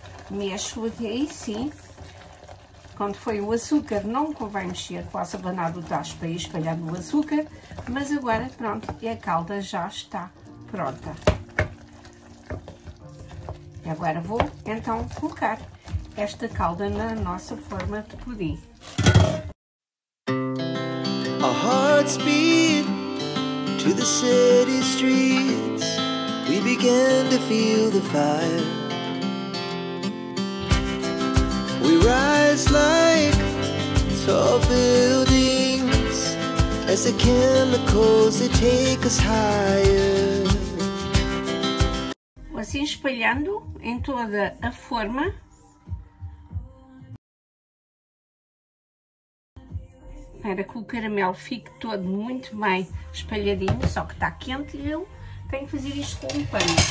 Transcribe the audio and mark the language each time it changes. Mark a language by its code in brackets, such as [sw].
[pt] Mexo aqui, sim. Quando foi o açúcar, não convém mexer, posso abanar o tacho para espalhar no açúcar, mas agora pronto, e a calda já está pronta. E agora vou então colocar esta calda na nossa forma de pudim. [en] Our hearts beat to the city streets. We began to feel the fire. We rise like tall buildings as the chemicals they take us higher. [pt] Assim espalhando em toda a forma. Para que o caramelo fique todo muito bem espalhadinho, só que está quente e eu tenho que fazer isto com um pano.